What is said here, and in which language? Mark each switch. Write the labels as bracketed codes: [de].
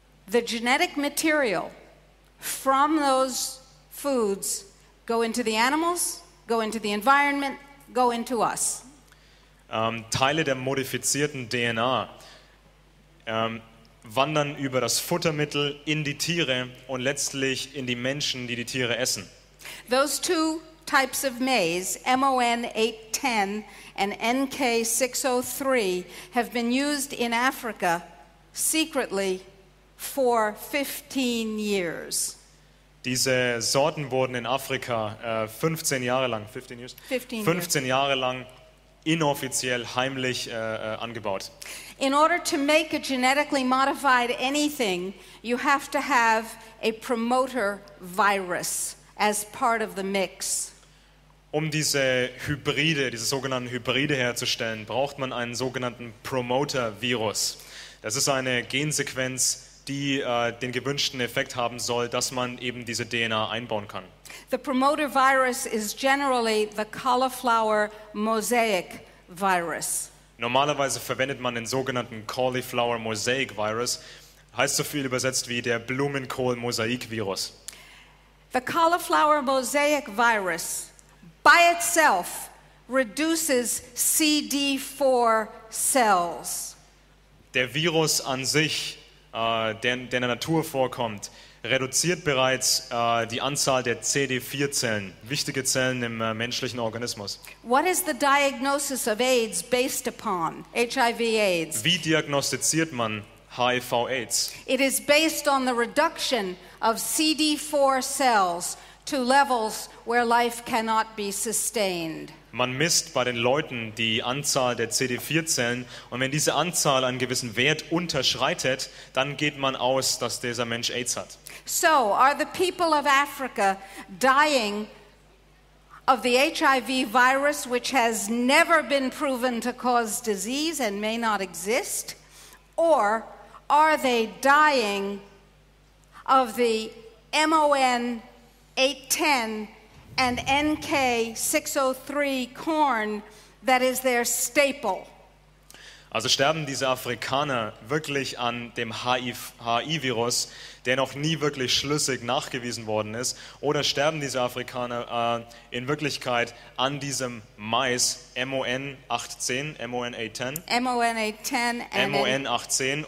[en] The genetic material from those foods go into the animals, go into the environment, go into us. [de] Teile der modifizierten DNA wandern über das Futtermittel in die Tiere und letztlich in die Menschen, die Tiere essen. [en] Those two types of maize, MON810 and NK603, have been used in Africa secretly for 15 years. [de] Diese Sorten wurden in Afrika 15 Jahre lang inoffiziell heimlich angebaut. [en] In order to make a genetically modified anything, you have to have a promoter virus as part of the mix. [de] Um diese Hybride, diese sogenannten Hybride herzustellen, braucht man einen sogenannten Promoter-Virus. Das ist eine Gensequenz, die den gewünschten Effekt haben soll, dass man eben diese DNA einbauen kann. [en] The promoter virus is generally the cauliflower mosaic virus. [de] Normalerweise verwendet man den sogenannten cauliflower mosaic virus, heißt so viel übersetzt wie der Blumenkohl-Mosaik-Virus. [en] The cauliflower mosaic virus by itself reduces CD4 cells. [de] Der Virus an sich, der in der Natur vorkommt, reduziert bereits die Anzahl der CD4-Zellen, wichtige Zellen im menschlichen Organismus. [en] What is the diagnosis of AIDS based upon? HIV/AIDS. [de] Wie diagnostiziert man HIV/AIDS? [en] It is based on the reduction of CD4 cells to levels where life cannot be sustained. [de] Man misst bei den Leuten die Anzahl der CD4-Zellen und wenn diese Anzahl einen gewissen Wert unterschreitet, dann geht man aus, dass dieser Mensch AIDS hat. [en] So, are the people of Africa dying of the HIV virus, which has never been proven to cause disease and may not exist? Or are they dying of the MON-810 and NK603 corn that is their staple? [de] Also sterben diese Afrikaner wirklich an dem HIV-Virus, der noch nie wirklich schlüssig nachgewiesen worden ist, oder sterben diese Afrikaner in Wirklichkeit an diesem Mais MON-810